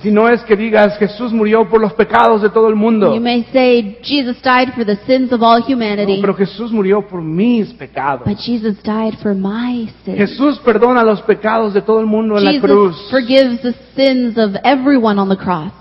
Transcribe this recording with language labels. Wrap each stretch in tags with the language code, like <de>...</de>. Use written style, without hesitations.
<es>Si no es que digas Jesús murió por los pecados de todo el mundo.</es> <en>You may say Jesus died for the sins of all humanity.</en> <es>No, pero Jesús murió por mis pecados.</es> <en>But Jesus died for my sins.</en> <es>Jesús perdona los pecados de todo el mundo en</es> <en>Jesus</en> <es>la cruz.</es> <en>Jesus forgives the sins of everyone on the cross.</en>